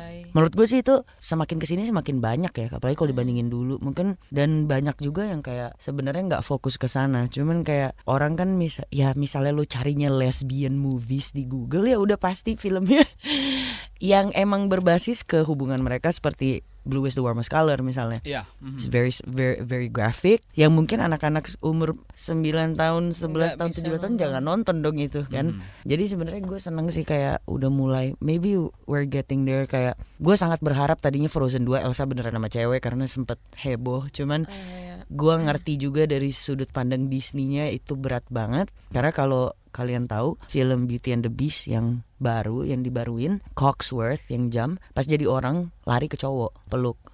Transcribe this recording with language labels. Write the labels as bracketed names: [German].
[Indonesian] Menurut gue sih itu semakin kesini semakin banyak ya, apalagi kalau dibandingin dulu mungkin, dan banyak juga yang kayak sebenarnya nggak fokus ke sana, cuman kayak orang kan ya misalnya lo carinya lesbian movies di Google ya udah pasti filmnya yang emang berbasis ke hubungan mereka seperti Blue is the Warmest Color misalnya. [English] It's very very very graphic. [Indonesian] Yang mungkin anak-anak umur 9 tahun, 11 tahun, 17 tahun jangan nonton dong itu kan. Jadi sebenarnya gue seneng sih kayak udah mulai, [English] maybe we're getting there. [Indonesian] Kayak gue sangat berharap tadinya Frozen 2 Elsa beneran sama cewek karena sempet heboh. Cuman gue ngerti juga dari sudut pandang Disney-nya itu berat banget. Karena kalau kalian tahu film Beauty and the Beast yang baru, yang dibaruin, Cogsworth yang jam pas jadi orang lari ke cowok peluk.